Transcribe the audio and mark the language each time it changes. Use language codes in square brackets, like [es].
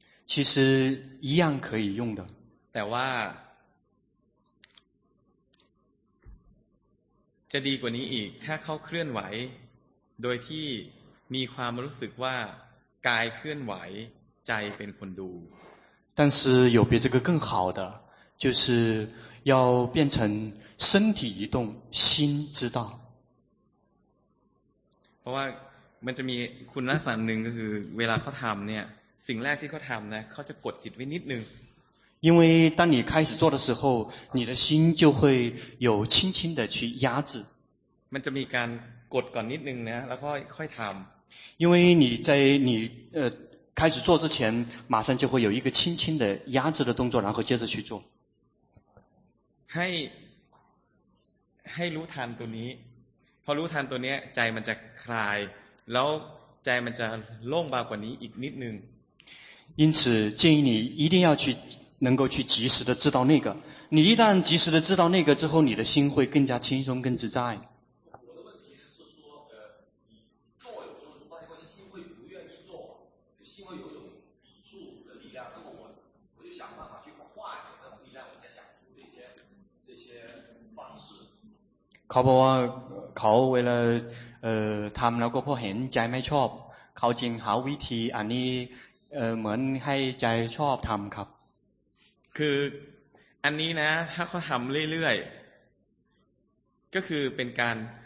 [zh] 其实一样可以用的 [th] แต่ว่าจะดีกว่านี้อีกถ้าเขาเคลื่อนไหวโดยที่มีความรู้สึกว่ากายเคลื่อนไหวใจเป็นคนดู [zh] 但是有比这个更好的就是要变成身体移动心知道 [th] เพราะว่ามันจะมีคุณลักษณะหนึ่งก็คือเวลาเขาทำเนี่ยสิ่งแรกที่เขาทำนะเขาจะกดจิตไว้นิดนึง [zh] 因为当你开始做的时候你的心就会有轻轻的去压制 [th] มันจะมีการกดก่อนนิดนึงนะแล้วค่อยทำ [zh] 因为你在你开始做之前马上就会有一个轻轻的压制的动作然后接着去做 [th] ให้รู้ทันตัวนี้พอรู้ทันตัวนี้ใจมันจะคลายแล้วใจมันจะโล่งมากกว่านี้อีกนิดนึง [zh] 因此建议你一定要去能够去及时的知道那个你一旦及时的知道那个之后你的心会更加轻松更自在我的问题是说你做有时候你发现心会不愿意做心会有一种抵触的力量那么我就想办法去化解这种力量我在想这些方式 [th] เขาบอกว่าเขาเวลาทำแล้วก็พอเห็นใจไม่ชอบเขาจึงหาวิธีอันนี้เหมือนให้ใจชอบทำครับ คืออันนี้นะถ้าเขาทำเรื่อยๆก็คือเป็นการ